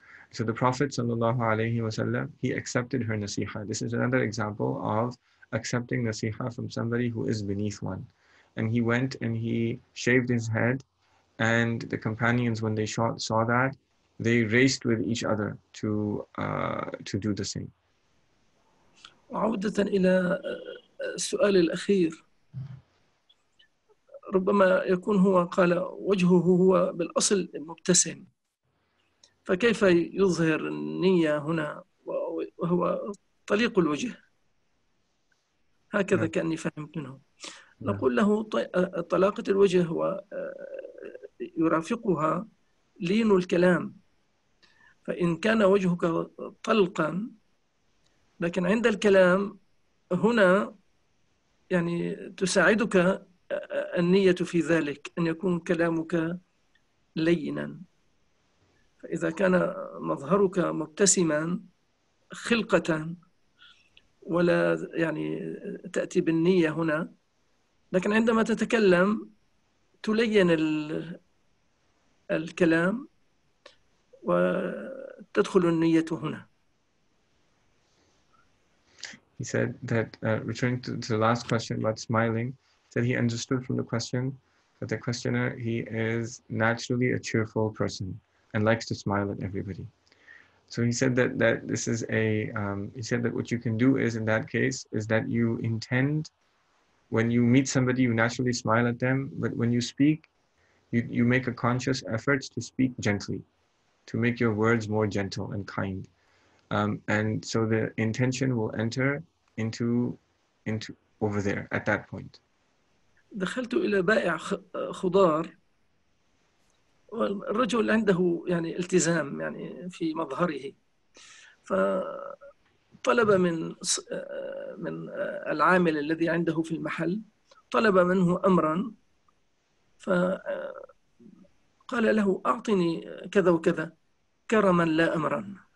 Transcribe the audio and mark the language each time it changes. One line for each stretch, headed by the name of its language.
English: So the Prophet sallallahu alaihi wasallam, he accepted her nasiha. This is another example of accepting nasiha from somebody who is beneath one. And he went and he shaved his head, and the companions, when they saw that, they raced with each other to do the same.
Arabic: عودة إلى السؤال الأخير، ربما يكون هو قال وجهه هو بالأصل مبتسم، فكيف يظهر النية هنا وهو طليق الوجه؟ هكذا كأني فهمت منه. نقول له طلاقة الوجه هو يرافقها لين الكلام، فإن كان وجهك طلقا لكن عند الكلام هنا يعني تساعدك النية في ذلك أن يكون كلامك لينا، فإذا كان مظهرك مبتسما خلقة ولا يعني تأتي بالنية هنا، لكن عندما تتكلم تلين الكلام وتدخل النية هنا.
English: He said that, returning to the last question about smiling, said he understood from the question that the questioner, he is naturally a cheerful person and likes to smile at everybody. So he said that this is a, he said that what you can do is, in that case, is that you intend, when you meet somebody, you naturally smile at them, but when you speak, you make a conscious effort to speak gently, to make your words more gentle and kind. And so the intention will enter into over there at that point.
Arabic: دخلت إلى بائع خضار والرجل عنده يعني التزام يعني في مظهره، فطلب من العامل الذي عنده في المحل، طلب منه أمرا، فقال له أعطني كذا وكذا كرما لا أمرا.